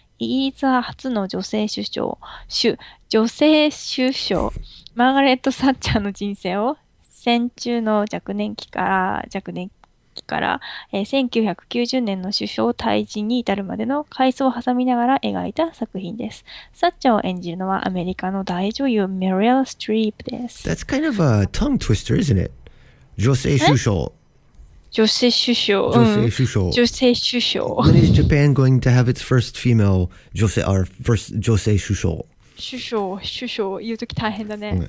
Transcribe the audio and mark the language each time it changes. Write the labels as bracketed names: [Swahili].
[Japanese] イギリスは初の女性首相、女性首相、マーガレット・サッチャーの人生を戦中の若年期から、1990年の首相退陣に至るまでの回想を挟みながら描いた作品です。サッチャーを演じるのはアメリカの大女優、メリル・ストリープです。 [English] That's kind of a tongue twister, isn't it? [Japanese] 女性首相。女性首相。女性首相。女性首相。 [English] When is Japan going to have its first female 女性、our first 女性首相？ [Japanese] 首相、首相、言うとき大変だね。